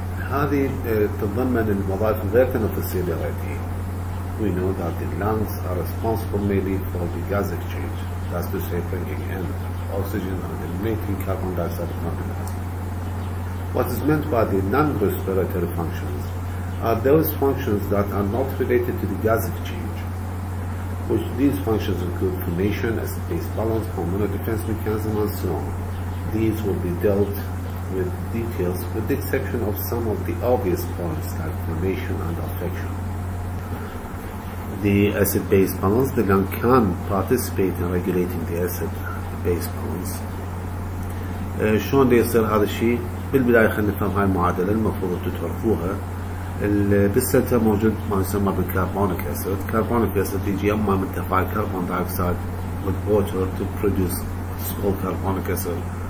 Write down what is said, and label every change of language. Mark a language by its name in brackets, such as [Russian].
[Arabic] هذه تضمن الوظائف غير التنفسية اللي رأيتها. [English] We know that the lungs are responsible mainly for the gas exchange. That's to say bringing in oxygen and emitting carbon dioxide from the lungs. What is meant by the non-respiratory functions are those functions that are not related to the gas exchange, which these functions include cremation, acid base balance, hormonal defense mechanism, and so on. These will be dealt with details, with the exception of some of the obvious points like cremation and affection. The acid base balance, the lung can participate in regulating the acid base balance. [Arabic] شلون يصير هذا الشيء؟ بالبداية خلينا نفهم هاي المعادلة المفروض تتعرفوها. بالسلتة موجود ما يسمى بالكربونيك اسيد. كربونيك اسيد يجي اما من تفاعل كربون دايوكسيد [English] with water to produce what's called carbonic acid.